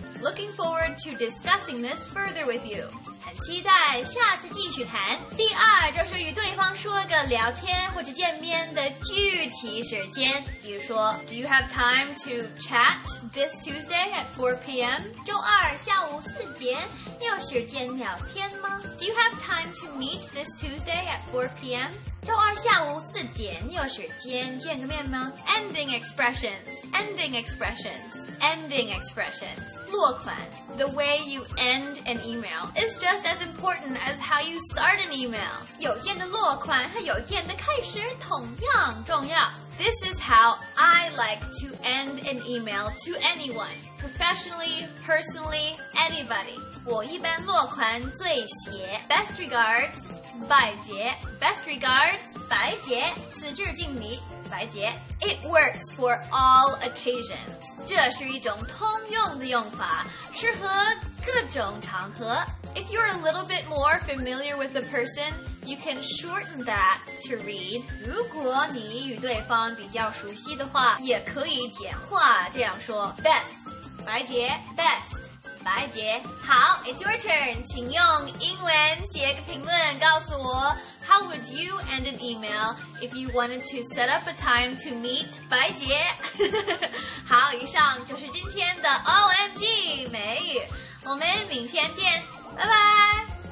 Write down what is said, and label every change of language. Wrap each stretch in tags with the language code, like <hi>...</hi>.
<en>Looking forward to discussing this further with you，</en> <zh>很期待下次继续谈。第二，就是与对方说个聊天或者见面的具体时间，比如说</zh> <en>Do you have time to chat this Tuesday at 4 p.m.？</en> <zh>周二下午四点你有时间聊天吗？</zh> <en>Do you have time to meet this Tuesday at 4 p.m.？</en> <zh>周二下午四点你有时间见个面吗？</zh> <en>Ending expressions. Ending expressions. Ending expressions.</en> <zh>落款。</zh> <en>The way you end an email is just as important as how you start an email.</en> <zh>邮件的落款和邮件的开始同样重要。</zh> <en>This is how I like to end an email to anyone. Professionally, personally, anybody.</en> <zh>我一般落款最写</zh> <en>Best regards, 白姐。 Best regards, 白姐。</en> <zh>此致敬你，</zh> <en>白姐。 It works for all occasions.</en> <zh>这是一种通用的用法，适合各种场合。</zh> <en>If you're a little bit more familiar with the person, you can shorten that to read.</en> <zh>如果你与对方比较熟悉的话，也可以简化这样说。 Best, 白姐。Best,白姐。好，</zh> <en>it's your turn，</en> <zh>请用英文写个评论告诉我。</zh> <en>How would you end an email if you wanted to set up a time to meet 白姐？</en> <zh>好，以上就是今天的 OMG 美语，我们明天见，拜拜。</zh>